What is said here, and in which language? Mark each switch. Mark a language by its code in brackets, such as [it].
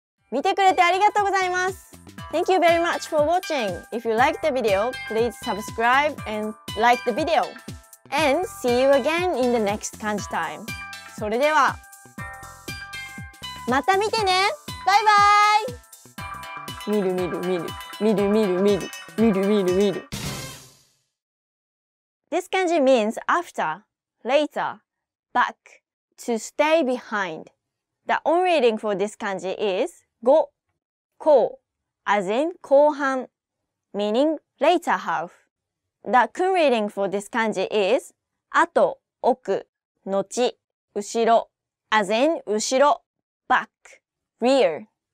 [ja] 見てくれてありがとうございます。 [en] Thank you very much for watching. If you liked the video, please subscribe and like the video. And see you again in the next kanji time. [ja] それでは、また見てね。バイバイ。見る見る見る見る見る見る見る見る見る。 [en] This kanji means after, later, back, to stay behind. The on reading for this kanji is go, ko, as in 後半, meaning later half. The kun reading for this kanji is 後, 奥, 後, 後ろ, as in 後ろ, back, rear.